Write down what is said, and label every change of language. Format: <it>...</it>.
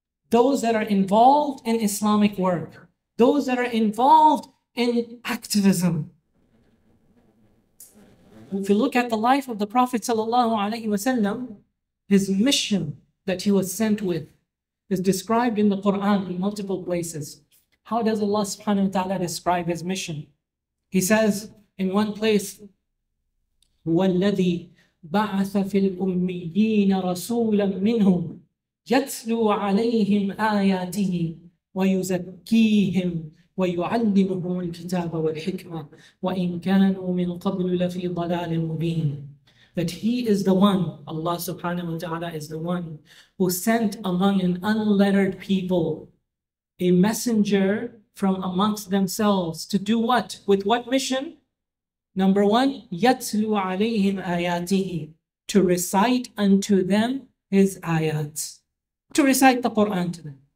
<en>Those that are involved in Islamic work. Those that are involved in activism. If you look at the life of the Prophet sallallahu alaihi wasallam, his mission that he was sent with is described in the Quran in multiple places. How does Allah subhanahu wa ta'ala describe his mission? He says in one place,</en> <ar>وَالَّذِي بَعَثَ فِي الْأُمِّيِّينَ رَسُولًا مِّنْهُمْ يَتْلُو عَلَيْهِمْ آيَاتِهِ وَيُزَكِّيهِمْ وَيُعَلِّمُهُمُ الْكِتَابَ وَالْحِكْمَةِ وَإِنْ كَانُوا مِنْ قَبْلُ لَفِي ضَلَالٍ مُّبِينٍ.</ar> <en>That he is the one, Allah subhanahu wa ta'ala is the one who sent among an unlettered people a messenger from amongst themselves to do what? With what mission? Number one,</en> <ar>yatlu alayhim ayatihi,</ar> <en>to recite unto them his ayat, to recite the Quran to them.</en>